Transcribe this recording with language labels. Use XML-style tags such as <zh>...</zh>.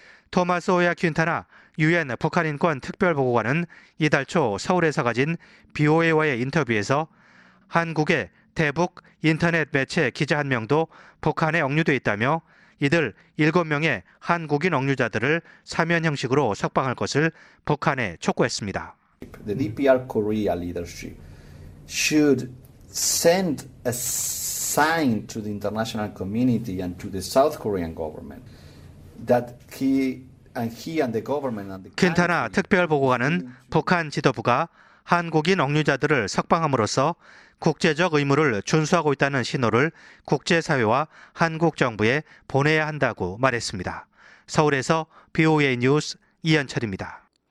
<ko>토마스 오야 퀸타나 유엔 북한인권특별보고관은 이달 초 서울에서 가진 BOA와의 인터뷰에서 한국의 대북 인터넷 매체 기자 한 명도 북한에 억류돼 있다며 이들 7명의 한국인 억류자들을 사면 형식으로 석방할 것을 북한에 촉구했습니다.</ko> <en>The DPR Korea leadership should send a sign to the international community and to the South Korean government that he and the government and the</en> <ko>퀸타나 특별보고관은 북한 지도부가 한국인 억류자들을 석방함으로써 국제적 의무를 준수하고 있다는 신호를 국제사회와 한국 정부에 보내야 한다고 말했습니다. 서울에서 BOA 뉴스 이현철입니다.</ko>